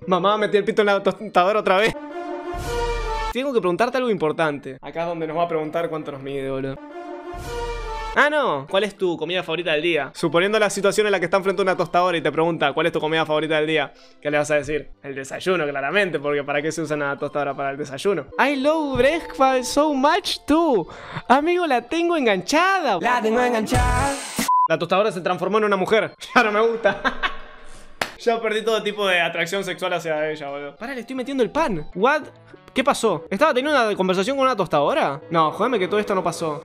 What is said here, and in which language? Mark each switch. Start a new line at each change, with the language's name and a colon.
Spanish: Mamá, metí el pito en la tostadora otra vez. Tengo que preguntarte algo importante. Acá es donde nos va a preguntar cuánto nos mide, boludo. Ah, no. ¿Cuál es tu comida favorita del día? Suponiendo la situación en la que está enfrente a una tostadora y te pregunta ¿cuál es tu comida favorita del día? ¿Qué le vas a decir? El desayuno, claramente, porque ¿para qué se usa una tostadora para el desayuno?
English: I love breakfast so much too.
Spanish: Amigo, la tengo enganchada. La tengo enganchada. La tostadora se transformó en una mujer. Ya no me gusta. Ya perdí todo tipo de atracción sexual hacia ella, boludo. Pará, le estoy metiendo el pan.
English: What?
Spanish: ¿Qué pasó? ¿Estaba teniendo una conversación con una tostadora? No, jodeme que todo esto no pasó.